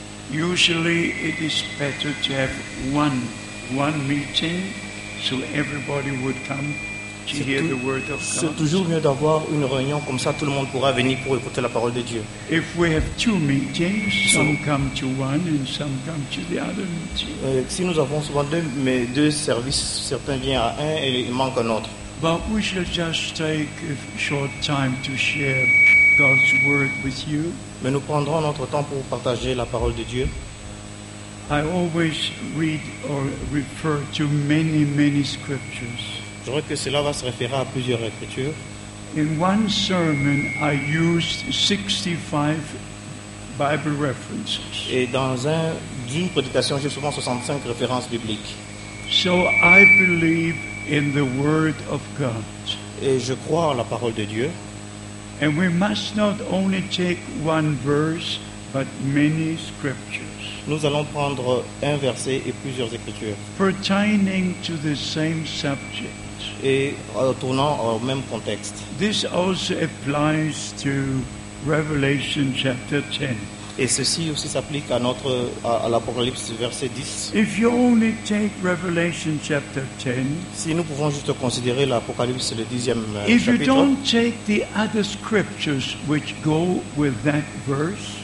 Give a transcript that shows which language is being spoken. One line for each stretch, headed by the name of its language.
English: Usually it is better to have one meeting so everybody would come to hear the word of God.
French: C'est toujours mieux d'avoir une réunion comme ça tout le monde pourra venir pour écouter la parole de Dieu.
English: If we have two meetings, some come to one and some come to the other meeting.
French: Si nous avons souvent deux services, certains viennent à un et il manque un autre.
English: But we shall just take a short time to share God's word with you.
French: Mais nous prendrons notre temps pour partager la parole de Dieu.
English: I always read or refer to many, many scriptures.
French: Je crois que cela va se référer à plusieurs écritures.
English: In one sermon, I used 65 Bible references.
French: Et dans une prédication, j'ai souvent 65 références bibliques.
English: So I believe in the word of God.
French: Et je crois en la parole de Dieu.
English: And we must not only take one verse, but many scriptures.
French: Nous allons prendre un verset et plusieurs écritures.
English: Pertaining to the same subject.
French: Et retournant au même contexte.
English: This also applies to Revelation chapter 10.
French: Et ceci aussi s'applique à notre à l'Apocalypse verset 10.
English: If you only take Revelation chapter 10,
French: si nous pouvons juste considérer l'Apocalypse le 10e chapitre.
English: If you don't take the other scriptures which go with that verse,